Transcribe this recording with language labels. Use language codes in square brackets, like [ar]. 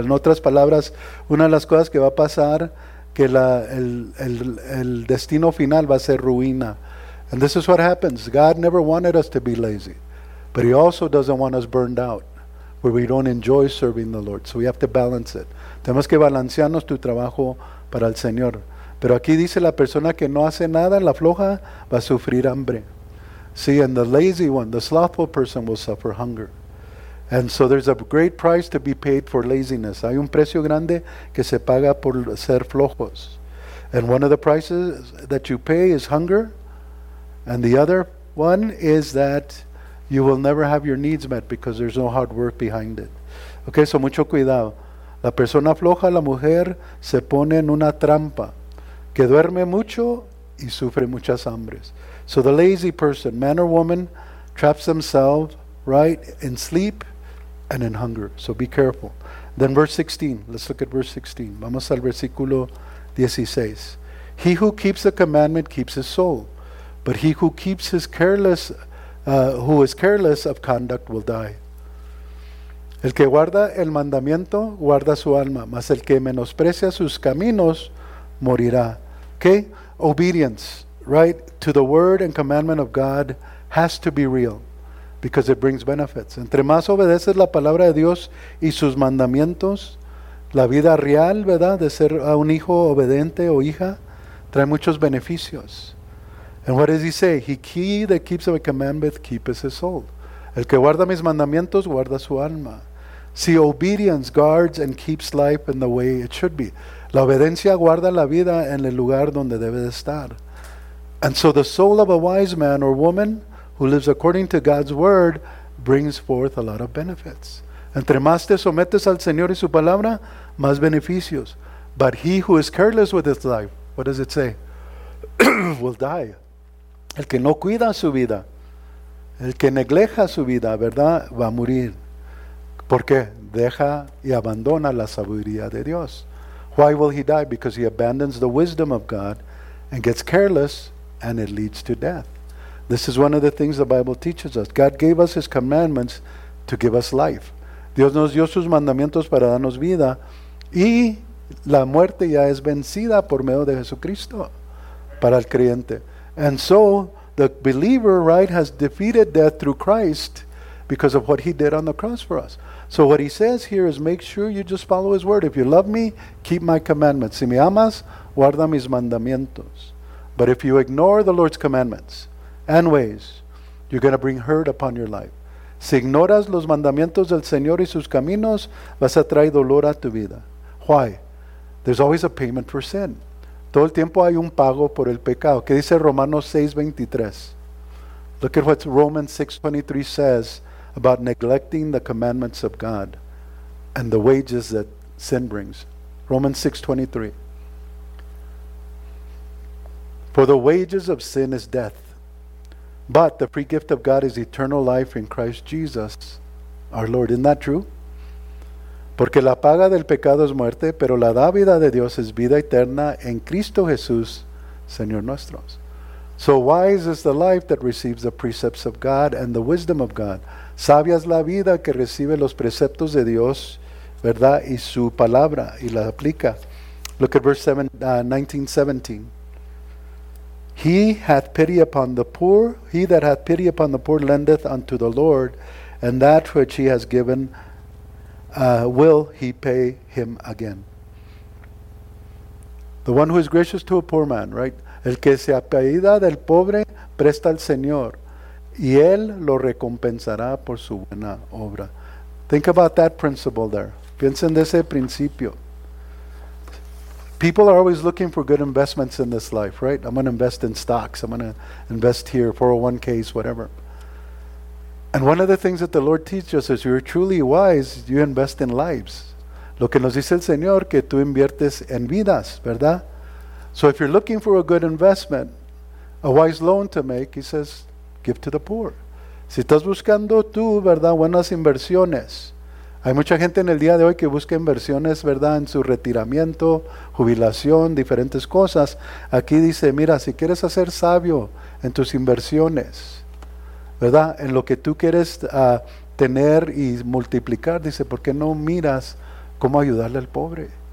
[es] En otras palabras, una de las cosas que va a pasar, que el destino final va a ser ruina. [en] And this is what happens. God never wanted us to be lazy. But he also doesn't want us burned out, where we don't enjoy serving the Lord. So we have to balance it. [es] Tenemos que balancearnos tu trabajo para el Señor. Pero aquí dice la persona que no hace nada, la floja, va a sufrir hambre. [en] See, and the lazy one, the slothful person will suffer hunger. And so there's a great price to be paid for laziness. [es] Hay un precio grande que se paga por ser flojos. [en] And one of the prices that you pay is hunger. And the other one is that you will never have your needs met because there's no hard work behind it. Okay, so [es] mucho cuidado. La persona floja, la mujer, se pone en una trampa, que duerme mucho y sufre muchas hambres. [en] So the lazy person, man or woman, traps themselves, right, in sleep and in hunger. So be careful. Then verse 16. Let's look at verse 16. [es] Vamos al versículo 16. [en] He who keeps the commandment keeps his soul. But he who keeps his careless, who is careless of conduct, will die. [es] El que guarda el mandamiento guarda su alma, mas el que menosprecia sus caminos morirá. [en] Okay, obedience, right, to the word and commandment of God has to be real, because it brings benefits. [es] Entre más obedeces la palabra de Dios y sus mandamientos, la vida real, verdad, de ser un hijo obediente o hija, trae muchos beneficios. [en] And what does he say? He that keeps my commandment keeps his soul. [es] El que guarda mis mandamientos guarda su alma. [en] See, obedience guards and keeps life in the way it should be. [es] La obediencia guarda la vida en el lugar donde debe de estar. [en] And so the soul of a wise man or woman who lives according to God's word brings forth a lot of benefits. [es] Entre más te sometes al Señor y su palabra, más beneficios. [en] But he who is careless with his life, what does it say? will die. [es] El que no cuida su vida, el que negleja su vida, ¿verdad? Va a morir. ¿Por qué? Deja y abandona la sabiduría de Dios. [en] Why will he die? Because he abandons the wisdom of God and gets careless, and it leads to death. This is one of the things the Bible teaches us. God gave us his commandments to give us life. [es] Dios nos dio sus mandamientos para darnos vida, y la muerte ya es vencida por medio de Jesucristo para el creyente. [en] And so, the believer, right, has defeated death through Christ because of what he did on the cross for us. So what he says here is, make sure you just follow his word. If you love me, keep my commandments. [es] Si me amas, guarda mis mandamientos. [en] But if you ignore the Lord's commandments and ways, you're going to bring hurt upon your life. [es] Si ignoras los mandamientos del Señor y sus caminos, vas a traer dolor a tu vida. [en] Why? There's always a payment for sin. [es] Todo el tiempo hay un pago por el pecado. ¿Qué dice Romanos 6:23? [en] Look at what Romans 6:23 says about neglecting the commandments of God. and the wages that sin brings. Romans 6:23. For the wages of sin is death, but the free gift of God is eternal life in Christ Jesus, our Lord. Isn't that true? [es] Porque la paga del pecado es muerte, pero la dádiva de Dios es vida eterna en Cristo Jesús, Señor nuestro. [en] So wise is the life that receives the precepts of God and the wisdom of God. [es] Sabia es la vida que recibe los preceptos de Dios, ¿verdad? Y su palabra, y la aplica. [en] Look at verse 19:17. He hath pity upon the poor. He that hath pity upon the poor lendeth unto the Lord, and that which he has given will he pay him again. The one who is gracious to a poor man, right? [es] El que se apiada del pobre presta al Señor, y él lo recompensará por su buena obra. [en] Think about that principle there. [es] Piensen de ese principio. [en] People are always looking for good investments in this life, right? I'm going to invest in stocks. I'm going to invest here, 401ks, whatever. And one of the things that the Lord teaches us, you're truly wise, you invest in lives. [es] Lo que nos dice el Señor, que tú inviertes en vidas, ¿verdad? [en] So if you're looking for a good investment, a wise loan to make, he says, give to the poor. [es] Si estás buscando tú, ¿verdad?, buenas inversiones. Hay mucha gente en el día de hoy que busca inversiones, ¿verdad?, en su retiramiento, jubilación, diferentes cosas. Aquí dice, mira, si quieres hacer sabio en tus inversiones, ¿verdad?, en lo que tú quieres tener y multiplicar, dice, ¿por qué no miras cómo ayudarle al pobre?